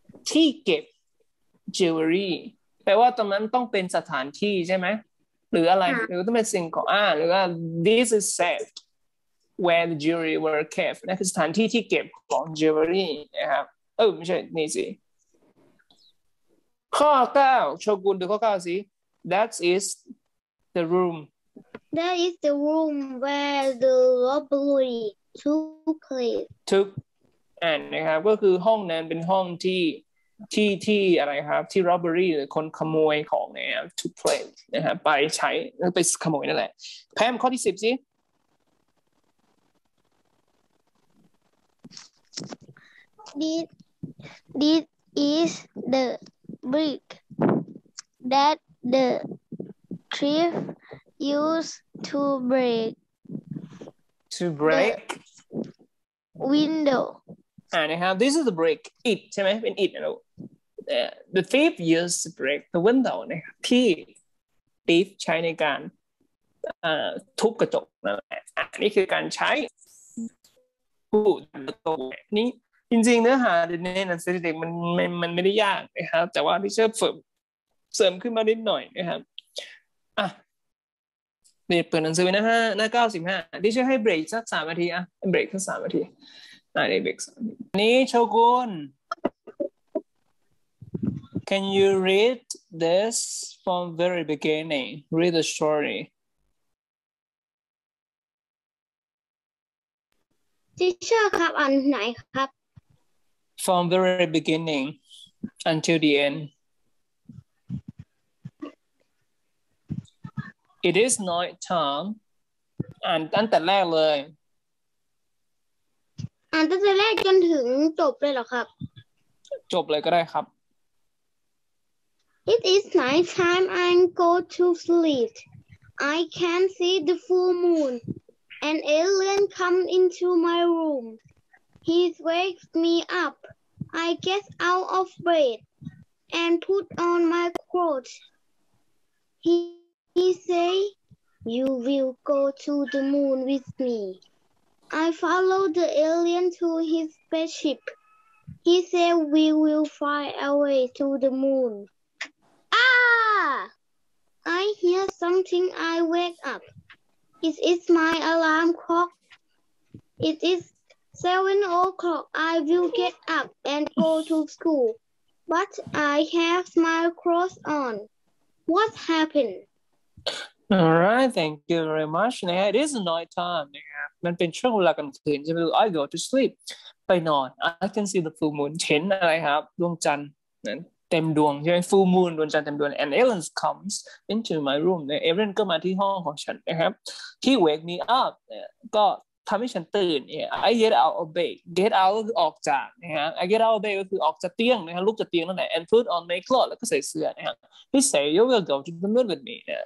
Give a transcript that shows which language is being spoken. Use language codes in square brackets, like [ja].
[th] ที่เก็บ jewelry แปลว่าตรงนั้นต้องเป็นสถานที่ใช่ไหมหรืออะไรหรือต้องเป็นสิ่งของหรือว่า [en] this is safe where the jewelry were kept [th] นั่นคือสถานที่ที่เก็บของ jewelry นะครับไม่ใช่นี่สิข้อ9โชกุนดูข้อ9สิ [en] that isThe room. That is the room where the robbery took place. [th] Took, and นะครับก็คือห้องนั้นเป็นห้องที่อะไรครับที่ robbery หรือคนขโมยของนะครับ took place นะครับไปใช้ไปขโมยนั่นแหละแพมข้อที่10สิ [en] This is the brick that the thief used to break. To break window. Anyhow, this is the brick. It, [th] ใช่ไหมเป็น [en] it นะ The thief used to break the window. [th] นะครับที่ thief ใช้ในการทุบกระจกนั่นแหละนี่คือการใช้พูดตัวนี้จริงๆเนื้อหาในหนังสือเด็กมันไม่ได้ยากนะครับแต่ว่าที่เสริมขึ้นมานิดหน่อยนะครับเปิดหนังสือนะฮะหน้า95ที่ช่วยให้เบรกสัก3นาทีอ่ะเบรกสัก3นาทีได้เบรกสักนี้โชกุน [en] Can you read this from very beginning? Read the story. [th] Teacher, ครับอันไหนครับ [en] From very beginning until the end. It is night time. [th] And ตั้งแต่แรกเลย อ่านตั้งแต่แรกจนถึงจบเลยเหรอครับ จบเลยก็ได้ครับ [en] It is night time and go to sleep. I can see the full moon. An alien come into my room. He wakes me up. I get out of bed and put on my clothes. He say, "You will go to the moon with me." I follow the alien to his spaceship. He said we will fly away to the moon. Ah! I hear something. I wake up. It is my alarm clock. It is 7 o'clock. I will get up and go to school. But I have my clothes on. What happened? All right, thank you very much. Now, it is night time. [th] มันเป็นช่วงเวลากลางคืนใช่ไหม [en] I go to sleep. [th] ไปนอน [en] I can see the full moon. [th] เห็นอะไรครับดวงจันทร์เต็มดวงใช่ไหม Full moon ดวงจันทร์เต็มดวง [en] And alien comes into my room. [th] Alien ก็มาที่ห้องของฉันนะครับ [en] He wake me up. [th] ก็ทำให้ฉันตื่น [en] I get out of bed. [th] Get out ก็คือออกจากนะฮะ [en] I get out of bed [th] ก็คือออกจากเตียงนะฮะลุกจากเตียงนั่นแหละ [en] And put on my clothes [th] แล้วก็ใส่เสื้อนะฮะ [en] He say you will go to the moon with me.